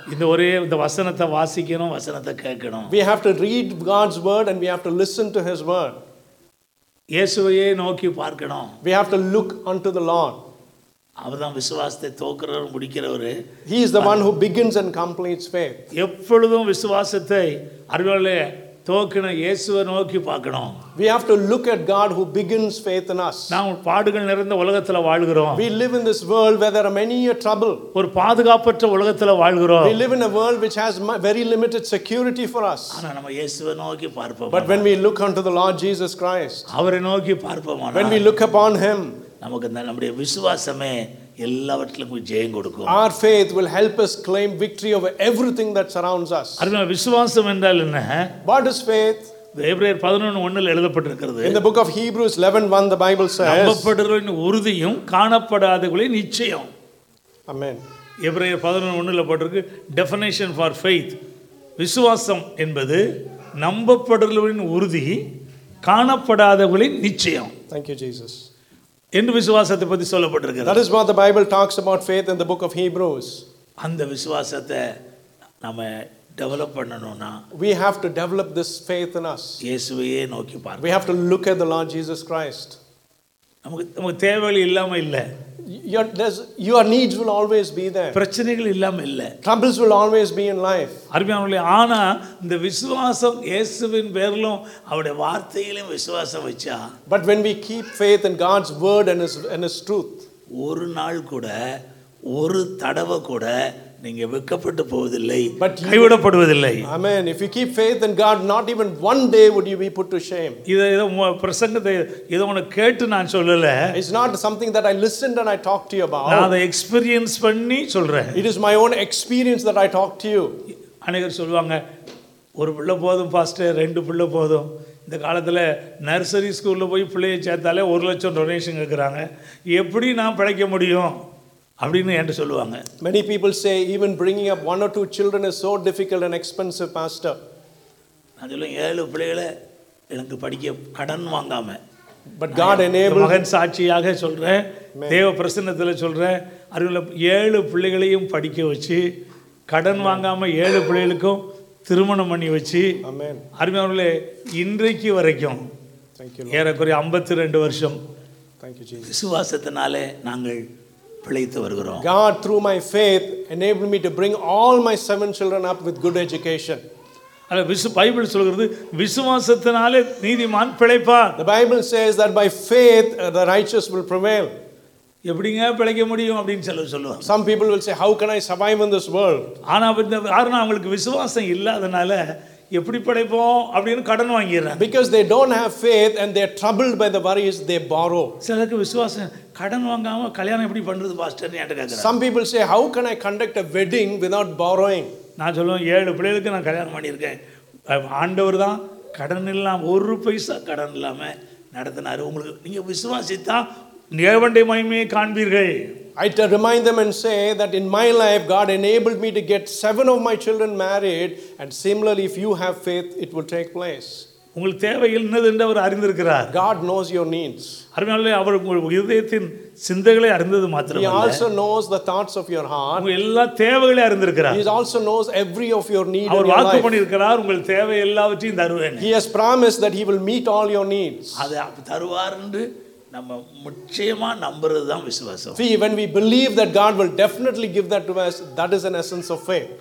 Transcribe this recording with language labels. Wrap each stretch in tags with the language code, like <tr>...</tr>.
<ta>இந்த ஒரே இந்த வசனத்தை வாசிக்கணும், வசனத்தை கேட்கணும்.</ta> <en>We have to read God's word and we have to listen to his word.</en> <ta>இயேசுவையே நோக்கி பார்க்கணும்.</ta> <en>We have to look unto the Lord.</en> <ta>அவர்தான் விசுவாசத்தை தோக்குறவர், முடிக்கிறவர்.</ta> <en>He is the one who begins and completes faith.</en> <ta>எப்பொழுதும் விசுவாசத்தை அறிவாலே தோக்கின இயேசுவை நோக்கி பார்க்கணும்.</ta> <en>We have to look at God who begins faith in us.</en> <ta>நாம் பாடுகள் நிறைந்த உலகத்துல வாழ்கிறோம்.</ta> <en>We live in this world where there are many a trouble.</en> <ta>ஒரு பாதுகாப்பற்ற உலகத்துல வாழ்கிறோம்.</ta> <en>We live in a world which has very limited security for us.</en> <ta>ஆனா நாம் இயேசுவை நோக்கி பார்ப்போம்.</ta> <en>But when we look unto the Lord Jesus Christ.</en> <ta>அவரை நோக்கி பார்ப்போம்.</ta> <en>When we look upon him.</en> <ta>நமக்கு நம்முடைய விசுவாசமே எல்லாவற்றிலும் ஜெயம் கொடுக்கும்.</ta> <en>Our faith will help us claim victory over everything that surrounds us.</en> <ta>அருமை, விசுவாசம் என்றால் என்ன?</ta> <en>What is faith?</en> <ta>எபிரேயர் 11:1 எழுதப்பட்டிருக்கிறது.</ta> <en>In the book of Hebrews 11:1 the Bible says,</en> <ta>நம்பப்படுகிறவன் உறுதியும் காணப்படாதவைகளின் நிச்சயம்.</ta> <en>Amen.</en> <ta>எபிரேயர் 11:1 போட்டிருக்கு</ta> <en>definition for faith.</en> <ta>விசுவாசம் என்பது நம்பப்படுகிறவன் உறுதி, காணப்படாதவைகளின் நிச்சயம்.</ta> <en>Thank you Jesus.</en> <ta>என்ன விசுவாசத்தை பத்தி சொல்லப்பட்டிருக்கிறது?</ta> <en>That is what the Bible talks about faith in the book of Hebrews.</en> <ta>அந்த விசுவாசத்தை நாம develop பண்ணனும்னா,</ta> <en>we have to develop this faith in us.</en> <ta>இயேசுவையே நோக்கி பார்.</ta> <en>We have to look at the Lord Jesus Christ.</en> <ta>நமக்கு தேவைகள் இல்லாம இல்ல.</ta> <en>Your needs will always be there.</en> <ta>பிரச்சனைகள் இல்லாம இல்ல.</ta> <en>Troubles will always be in life.</en> <ta>அருமையானவர்களே, ஆனா இந்த விசுவாசம் இயேசுவின் பேரிலும் அவருடைய வார்த்தையிலும் விசுவாசம் வச்சா,</ta> <en>but when we keep faith in God's word and his truth,</en> <ta>ஒரு நாள் கூட, ஒரு தடவை கூட நீங்க வெட்கப்பட்டு போவதில்லை, கைவிடப்படுவதில்லை.</ta> <en>Amen. If you keep faith in God, not even one day would you be put to shame.</en> <ta>இது ஏதோ பிரசங்கத்தை ஏதோ உன கேட்டு நான் சொல்லல.</ta> <en>It's not something that I listened and I talked to you about.</en> <ta>நான் அதை எக்ஸ்பீரியன்ஸ் பண்ணி சொல்றேன்.</ta> <en>It is my own experience that I talked to you.</en> <ta>அனைவர் சொல்வாங்க, ஒரு பிள்ளை போதும் பாஸ்டர், ரெண்டு பிள்ளை போதும். இந்த காலத்தில் நர்சரி ஸ்கூல்ல போய் பிள்ளையை சேர்த்தாலே 100,000 டொனேஷன் கேட்குறாங்க. எப்படி நான் பிழைக்க முடியும் அப்படின்னு என்று சொல்லுவாங்க.</ta> <en>Many people say even bringing up one or two children is so difficult and expensive, pastor.</en> <ta>அதுலயும் ஏழு பிள்ளைகளை எனக்கு படிக்க கடன் வாங்காம,</ta> <en>but God enabled.</en> <ta>மகன் சாட்சியாக சொல்றேன், தேவ பிரசன்னத்தில் சொல்றேன், அருள ஏழு பிள்ளைகளையும் படிக்க வச்சு, கடன் வாங்காம ஏழு பிள்ளைகளுக்கும் திருமணம் பண்ணி வச்சு. ஆமென். அருமையானவர்களே, இன்றைக்கு வரைக்கும் ஏறக்குறைய 52 வருஷம் விசுவாசத்தினாலே நாங்கள் பிழைத்து வருகிறோம்.</ta> <en>God through my faith enabled me to bring all my 7 children up with good education.</en> <ta>அல்ல, பைபிள் சொல்கிறது விசுவாசத்தினாலே நீதிமான் பிழைப்பார்.</ta> <en>The Bible says that by faith the righteous will prevail.</en> <ta>எப்படிங்க பிழைக்க முடியும் அப்படின்னு சில சொல்லுவாங்க.</ta> <en>Some people will say how can I survive in this world.</en> <ta>ஆனா யாருனா அவங்களுக்கு விசுவாசம் இல்லாதனால எப்படி படைப்போம் அப்படின்னு கடன் வாங்கிடுறாங்க.</ta> <en>Because they don't have faith and they are troubled by the worries, they borrow.</en> <ta>சிலருக்கு விசுவாசம், கடன் வாங்காம கல்யாணம் எப்படி பண்றது பாஸ்டர்னு கேட்கறாங்க.</ta> <en>Some people say how can I conduct a wedding without borrowing.</en> <ta>நான் சொல்றேன், ஏழு பிள்ளைகளுக்கு நான் கல்யாணம் பண்ணியிருக்கேன், ஆண்டவர் தான் கடன் இல்லாம ஒரு பைசா கடன் இல்லாம நடத்தினாரு. உங்களுக்கு நீங்க விசுவாசித்தான் தேவனுடைய மகிமையை காண்பீர்கள்.</ta> <en>I to remind them and say that in my life God enabled me to get 7 of my children married, and similarly if you have faith it will take place.</en> <ta>உங்கள் தேவையில் என்னது அவர் அறிந்திருக்கிறார்.</ta> <en>God knows your needs.</en> <ta>அருமையாலே, அவர் உங்கள் இதயத்தின் சிந்தைகளை அறிந்தது மாத்திரம் இல்லை.</ta> <en>He also knows the thoughts of your heart.</en> <ta>உங்கள் எல்லா தேவைகளையும் அறிந்திருக்கிறார்.</ta> <en>He also knows every of your need.</en> <ta>அவர் வாக்கு பண்ணியிருக்கிறார், உங்கள் தேவை எல்லாவற்றையும் தருவேன்.</ta> <en>He has promised that he will meet all your needs.</en> <ta>அதை தருவார் என்று நம்ம முக்கியமா நம்புறது தான் விசுவாசம்.</ta> <en>See, when we believe that God will definitely give that to us, that is an essence of faith.</en>